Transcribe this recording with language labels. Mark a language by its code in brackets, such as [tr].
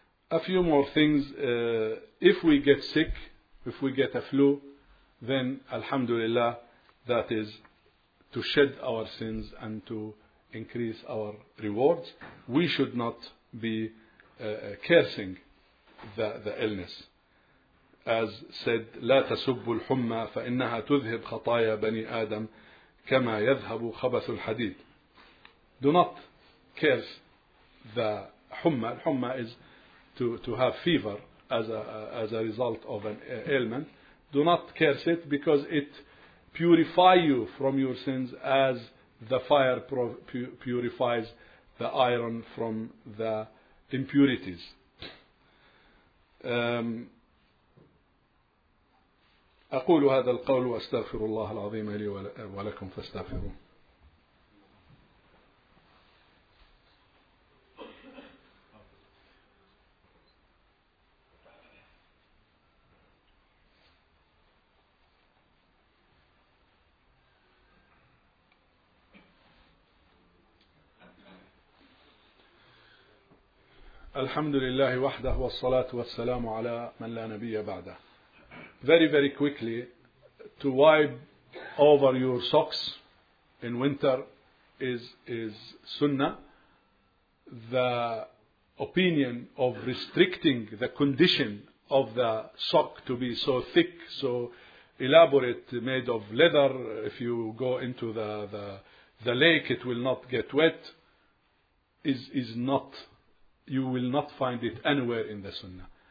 [en] A few more things. If we get sick, if we get a flu, then alhamdulillah, that is to shed our sins and to increase our rewards. We should not be cursing the illness. As said, [ar] لا تسب الحمى فإنها تذهب خطايا بني آدم كما يذهب خبث الحديد. [en] Do not curse the حمى. الحمى is to have fever as a result of an ailment. Do not curse it, because it purify you from your sins as the fire purifies the iron from the impurities. [ar] أقول هذا القول وأستغفر الله العظيم لي ولكم فاستغفروه. الحمد لله وحده والصلاة والسلام على من لا نبي بعده. [en] Very very quickly, to wipe over your socks in winter is sunnah. The opinion of restricting the condition of the sock to be so thick, so elaborate, made of leather, if you go into the lake it will not get wet, is not, you will not find it anywhere in the sunnah.